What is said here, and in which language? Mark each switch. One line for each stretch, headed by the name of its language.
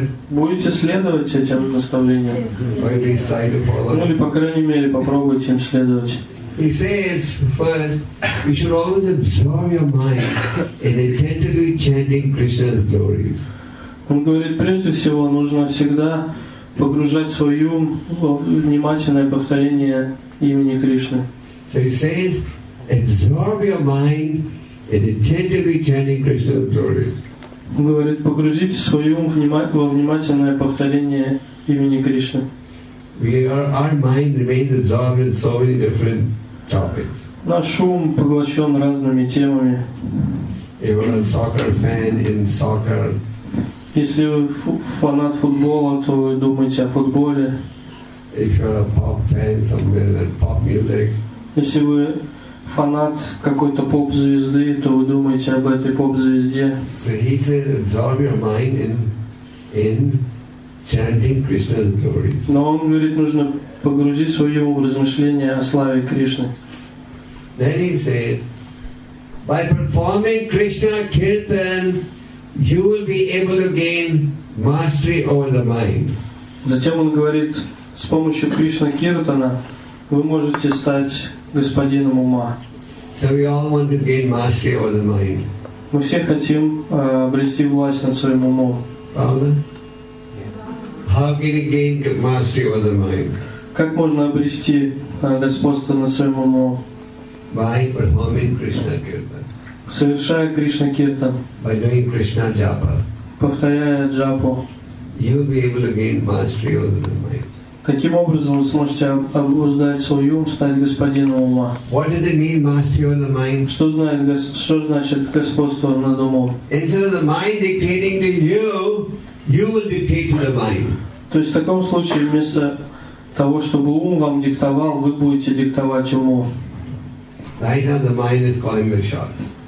Russian: Будете следовать этим наставлениям? Ну или, по крайней мере, попробуйте им следовать.
English: He says, first, you should always absorb your mind in attentively chanting Krishna's glories.
Russian: Он говорит, прежде всего, нужно всегда погружать свой ум в внимательное повторение имени Кришны.
English: So he says, absorb your mind in attentively chanting Krishna's glories.
Russian: Он говорит, погрузите свой ум во внимательное повторение имени Кришны.
English: Our mind remains absorbed in so many different topics.
Russian: Наш ум поглощен разными темами.
English: If you're a soccer fan in soccer.
Russian: Если вы фанат футбола, то вы думаете о футболе.
English: If you're a pop fan, something like pop music.
Russian: Если вы фанат какой-то поп-звезды, то вы думаете об этой поп-звезде.
English: So he says, absorb your mind in chanting Krishna's glories.
Russian: Но он говорит, нужно погрузить свой ум в размышления о славе Кришны.
English: Then he says, by performing Krishna Kirtan, you will be able to gain mastery over the mind.
Russian: Затем он говорит, с помощью Кришна Киртана вы можете стать господином ума.
English: So we all want to gain mastery over the mind.
Russian: Мы все хотим обрести власть над своим умом.
English: How can you gain mastery over the mind?
Russian: Как можно обрести господство над своим умом?
English: By performing Krishna Kirtan.
Russian: Совершая Кришна Киртан.
English: By doing Krishna Japa.
Russian: Повторяя Джапу.
English: You'll be able to gain mastery over the mind.
Russian: Таким образом вы сможете обуздать свой ум, стать господином ума.
English: What does it mean, mastery of the mind?
Russian: Что значит господство над умом?
English: Instead of the mind dictating to you, you will dictate to the mind.
Russian: То есть в таком случае вместо того, чтобы ум вам диктовал, вы будете диктовать уму.
English: Right now the mind is calling the shots.